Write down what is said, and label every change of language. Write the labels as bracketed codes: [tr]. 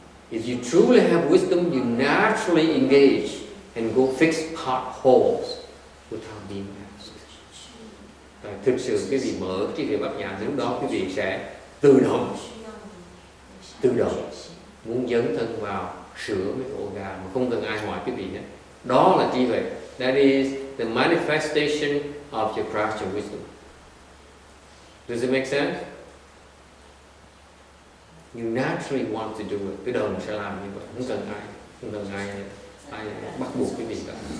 [en] If you truly have wisdom, you naturally engage and go fix potholes without being asked. [vi] Thực sự quý vị mở trí huệ bát nhã, lúc đó quý vị sẽ tự động muốn dấn thân vào sửa mấy ổ gà mà không cần ai hỏi quý vị nhé. Đó là trí huệ. [en] That is the manifestation of your craft of wisdom. Does it make sense? You naturally want to do it. [vi] Cứ đầu mình sẽ làm như vậy. Không cần ai bắt buộc quý vị cả.